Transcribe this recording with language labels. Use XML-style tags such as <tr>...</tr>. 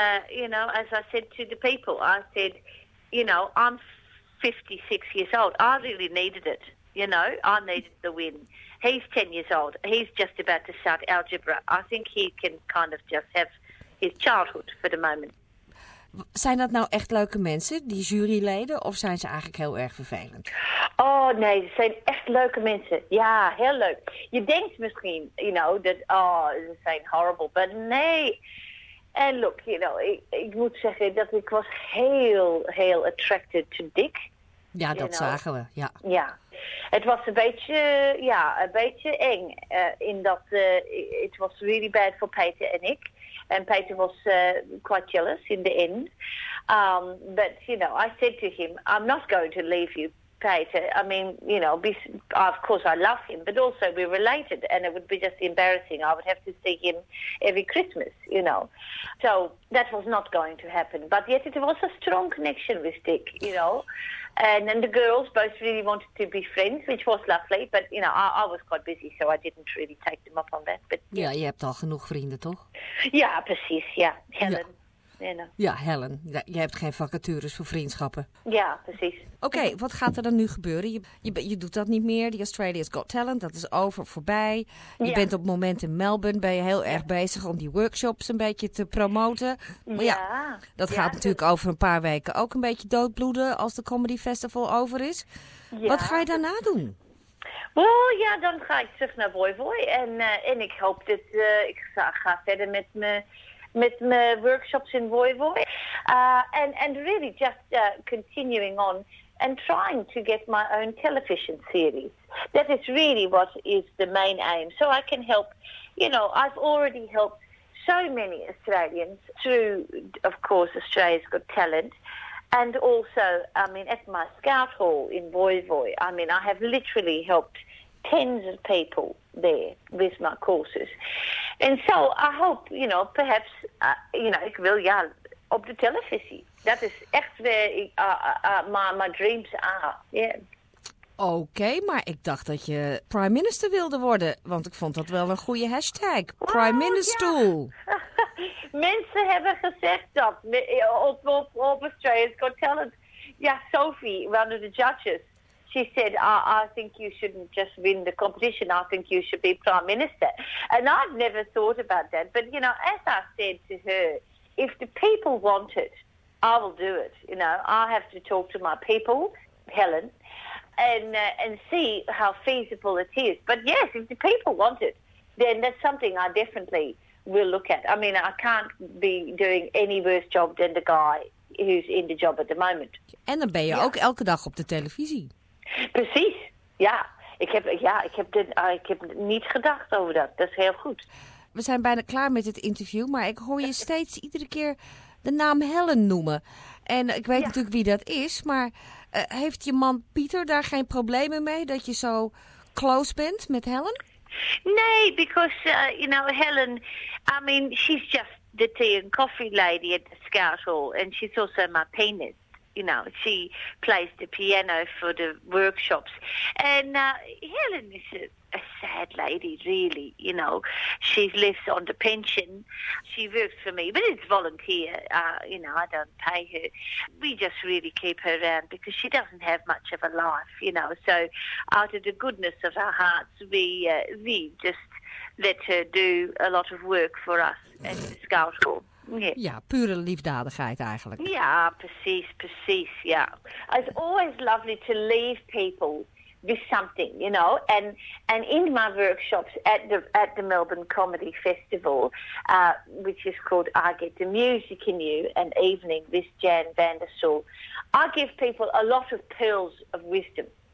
<en>You know, as I said to the people, I said, you know, I'm 56 years old. I really needed it, you know. I needed the win. He's 10 years old. He's just about to start algebra. I think he can kind of just have his childhood for the moment.</en> <nl>Zijn dat nou echt leuke mensen, die juryleden, of zijn ze eigenlijk heel erg vervelend? Oh, nee, ze zijn echt leuke mensen. Ja, heel leuk. Je denkt misschien,</nl> <en>you know,</en> <nl>dat, oh, ze zijn</nl> <en>horrible, but</en> <nl>nee... En</nl> <en>look, you know,</en> <nl>ik moet zeggen dat ik was heel, heel</nl> <en>attracted to</en> <nl>Dick. Ja, dat zagen we, ja. Ja, het was een beetje eng in dat</nl> <en>it was really bad for</en> <nl>Peter en ik.</nl> <en>And Peter was quite jealous in the end. But, you know, I said to him, I'm not going to leave you, Peter. I mean, you know, of course I love him, but also we're related and it would be just embarrassing. I would have to see him every Christmas, you know. So that was not going to happen. But yet it was a strong connection with Dick, you know. And then the girls both really wanted to be friends, which was lovely. But, you know, I was quite busy, so I didn't really take them up on that. But yeah.</en> <nl>Ja, je hebt al genoeg vrienden, toch? Ja, precies, ja. Helen. Ja. Ja, Helen, je hebt geen vacatures voor vriendschappen. Ja, precies. Oké, wat gaat er dan nu gebeuren? Je doet dat niet meer, die Australia's Got Talent, dat is over, voorbij. Je bent op het moment in Melbourne, ben je heel erg bezig om die workshops een beetje te promoten. Maar gaat natuurlijk over een paar weken ook een beetje doodbloeden als de Comedy Festival over is. Ja. Wat ga je daarna doen? Well, ja, dan ga ik terug naar Voivoi en ik hoop dat ik ga verder met me... Met mijn workshops in Voivoi.</nl> <en>And really just continuing on and trying to get my own television series. That is really what is the main aim. So I can help, you know, I've already helped so many Australians through, of course, Australia's Got Talent. And also, I mean, at my scout hall in Voivoi, I mean, I have literally helped tens of people there with my courses. And so I hope, you know, perhaps, you know,</en> <nl>ik wil op de televisie. Dat is echt waar ik mijn</nl> <en>dreams are. Yeah.</en> <nl>Oké, maar ik dacht dat je prime minister wilde worden. Want ik vond dat wel een goede hashtag. Wow, prime minister. Ja. Mensen hebben gezegd dat.</nl> <en>Op Australia's Got Talent. Ja, Sophie, one of the judges. She said, I think you shouldn't just win the competition. I think you should be prime minister. And I've never thought about that. But, you know, as I said to her, if the people want it, I will do it. You know, I have to talk to my people, Helen, and see how feasible it is. But yes, if the people want it, then that's something I definitely will look at. I mean, I can't be doing any worse job than the guy who's in the job at the moment.</en> <nl>En dan ben je ook elke dag op de televisie. Precies, ik heb niet gedacht over dat. Dat is heel goed. We zijn bijna klaar met het interview, maar ik hoor je steeds iedere keer de naam Helen noemen. En ik weet natuurlijk wie dat is, maar heeft je man Pieter daar geen problemen mee dat je zo close bent met Helen?</nl> <en>Nee, because, you know, Helen, I mean, she's just the tea and coffee lady at the Scout Hall. And she's also my penis. You know, she plays the piano for the workshops. And Helen is a sad lady, really, you know. She lives on the pension. She works for me, but it's volunteer. You know, I don't pay her. We just really keep her around because she doesn't have much of a life, you know. So out of the goodness of our hearts, we just let her do a lot of work for us at the Scout Hall.</en> <nl>Ja, pure liefdadigheid eigenlijk. Ja, precies, ja.</nl> <en>It's always lovely to leave people with something, you know. And in my workshops at the Melbourne Comedy Festival, which is called I Get the Music in You, an evening with Jan van der Stoel, I give people a lot of pearls of wisdom.</en>